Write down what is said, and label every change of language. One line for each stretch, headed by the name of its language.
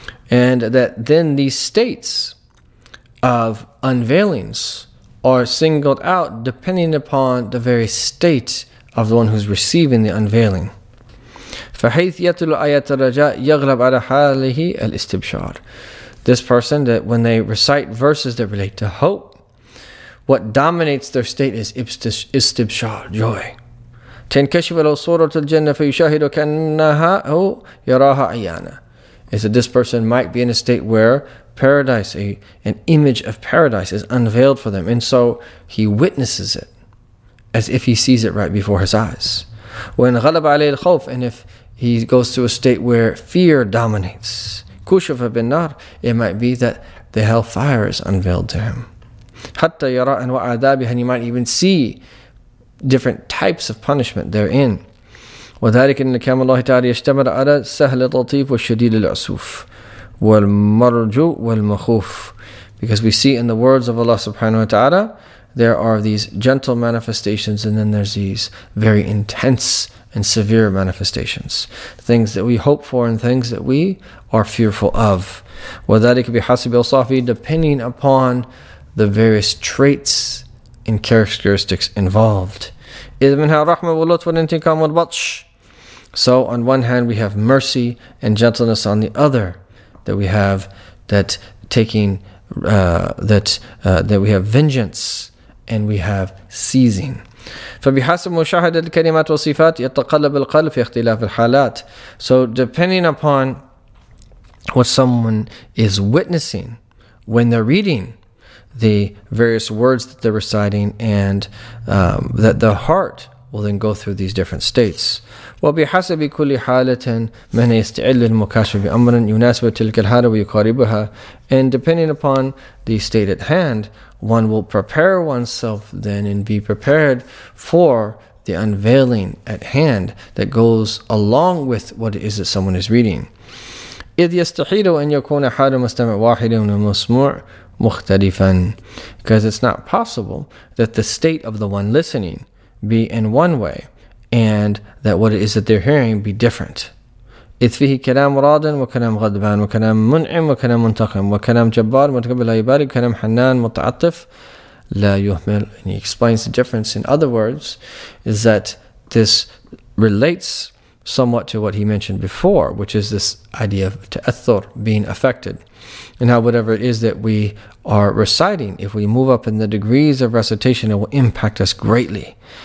English: And that then these states of unveilings are singled out depending upon the very state of the one who's receiving the unveiling.
Arabic: فحيث يتلو آيات الرجاء يغلب على حاله الاستبشار.
English: This person, that when they recite verses that relate to hope, what dominates their state is istibshar, joy.
Arabic: تنكشف الصورة الجنة فيشاهد كأنها أو يراها عيانا.
English: Is that this person might be in a state where paradise, an image of paradise, is unveiled for them, and so he witnesses it as if he sees it right before his eyes. When
Arabic: غلب عليه الخوف,
English: and if he goes to a state where fear dominates.
Arabic: كشف بالنار,
English: it might be that the hellfire is unveiled to him.
Arabic: حتى يرى أنواع عذابها,
English: and you might even see different types of punishment therein.
Arabic: وذلك إن كلام الله تعالى يشتمل على سهل اللطيف والشديد العسوف والمرجو والمخوف.
English: Because we see in the words of Allah subhanahu wa ta'ala, there are these gentle manifestations and then there's these very intense and severe manifestations. Things that we hope for and things that we are fearful of.
Arabic: وَذَلِكَ بِحَسِبِ الصَّفِي,
English: depending upon the various traits and characteristics involved.
Arabic: إذ منها الرحمة واللطف والانتقام والبطش.
English: So on one hand we have mercy and gentleness, on the other that we have that taking that we have vengeance and we have seizing.
Arabic: فبحسب مشاهدة الكلمات والصفات يتقلب القلب في اختلاف الحالات.
English: So depending upon what someone is witnessing when they're reading the various words that they're reciting, and that the heart will then go through these different states.
Arabic: وبحسب كل حالة من يستعد للمكاشفة بأمر يناسب تلك الحالة ويقاربها.
English: And depending upon the state at hand, one will prepare oneself then and be prepared for the unveiling at hand that goes along with what it is that someone is reading.
Arabic: إذ يستحيل أن يكون حال مستمع واحد من المسموع مختلفا.
English: Because it's not possible that the state of the one listening be in one way and that what it is that they're hearing be different.
Arabic: إذ فيه كلام راد وكلام غضبان وكلام منعم وكلام منتقم وكلام جبار متقبل لا يبالي وكلام حنان متعطف لا يهمل.
English: And he explains the difference. In other words, is that this relates somewhat to what he mentioned before, which is this idea of ta'athur, being affected. And how whatever it is that we are reciting, if we move up in the degrees of recitation, it will impact us greatly.